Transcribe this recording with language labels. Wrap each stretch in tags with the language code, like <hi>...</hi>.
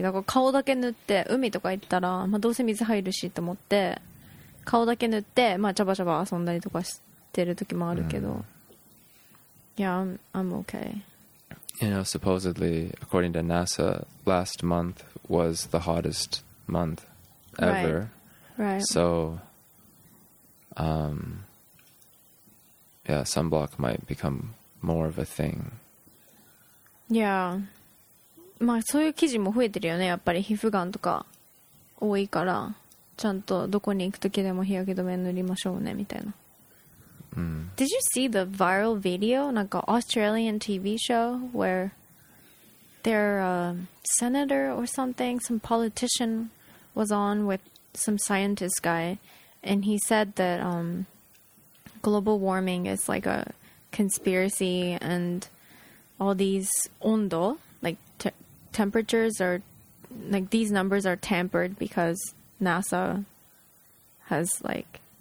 <ja>だから顔だけ塗って海とか行ったら、まあどうせ水入るしと思って、顔だけ塗って、まあちゃばちゃば遊んだりとかしてる時もあるけど。</ja> <en>Yeah, I'm okay. You know, supposedly, according to NASA, last month was the hottest month ever. Right. So, yeah, sunblock might become more of a thing. Yeah.</en> <ja>まあそういう記事も増えてるよね。やっぱり皮膚がんとか多いから、ちゃんとどこに行くときでも日焼け止め塗りましょうねみたいな。</ja> <en>Did you see the viral video? Like Australian TV show where their senator or something, some politician was on with some scientist guy, and he said that global warming is like a conspiracy, and all these ondo, like temperatures are like these numbers are tampered because NASA has like.</en>